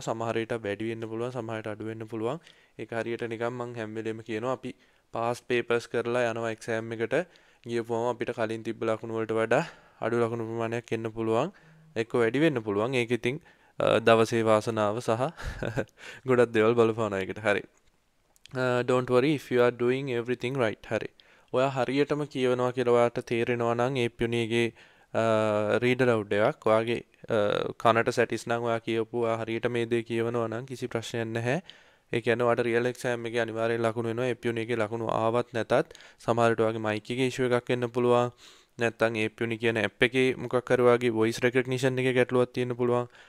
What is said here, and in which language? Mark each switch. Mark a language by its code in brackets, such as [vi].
[si] සමහර විට වැඩි වෙන්න පුළුවන්, සමහර විට අඩු වෙන්න පුළුවන්. ඒක හරියට නිකන් මම හැම වෙලේම කියනවා, අපි past papers කරලා යනවා exam එකට, ගියපුවම අපිට කලින් තිබ්බ ලකුණු වලට වඩා අඩු ලකුණු ප්‍රමාණයක් එන්න පුළුවන්, එක්ක වැඩි වෙන්න පුළුවන්. ඒක ඉතින් දවසේ වාසනාව සහ ගොඩක් දේවල් බලපානවා ඒකට. [en] හරි, don't worry if you are doing everything right. [si] හරි, ඔයා හරියටම කියවනවා කියලා ඔයාට තේරෙනවා නම් APNU-ගේ රීඩර් අවුඩ් එකක් ඔයාගේ කනට සැටිස් නම්, ඔයා කියවපු ඔයා හරියට මේ දේ කියවනවා නම් කිසි ප්‍රශ්නයක් නැහැ. ඒ කියන්නේ ඔයාට රියල් එක්සෑම් එකේ අනිවාර්යෙන් ලකුණු වෙනවා. APNU-ගේ ලකුණු ආවත් නැතත් සමහර විට ඔයාගේ මයික් එකේ ඉෂුව එකක් එන්න පුළුවන්, නැත්තම් APNU කියන ඇප් එකේ මොකක් හරි වාගේ වොයිස් රෙකග්නිෂන් එකේ ගැටලුවක් තියෙන්න පුළුවන්.